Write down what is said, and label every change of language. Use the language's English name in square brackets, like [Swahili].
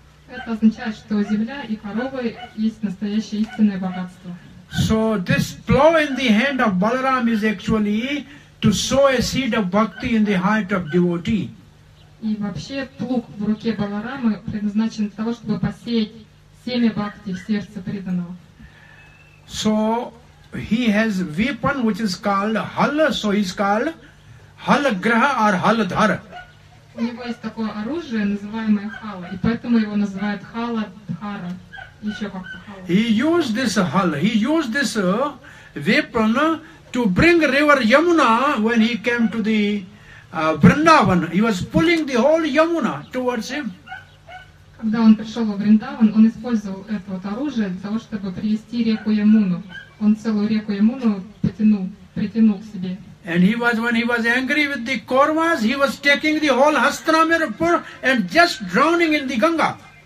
[Russian] Это означает, что земля и коровы есть настоящее истинное богатство. [English] So this plow in the hand of Balaram is actually to sow a seed of bhakti in the heart of devotee. [Russian] И вообще плуг в руке Баларамы предназначен для того, чтобы посеять семя бхакти в сердце преданного. [English] So he has weapon which is called hal, so he's called hal graha or hal dhar. [Russian] У него есть такое оружие, называемое хала, и поэтому его называют хала дхара. [English] He used this hull, he used this weapon to bring river Yamuna when he came to the Vrindavan. He was pulling the whole Yamuna towards him. [Russian] Когда он пришел во Вриндаван, он использовал это вот оружие для того, чтобы привести реку Ямуну. Он целую реку Ямуну притянул к себе. [English] And he was, when he was angry with the Kauravas, he was taking the whole Hastinapur and just drowning in the Ganga.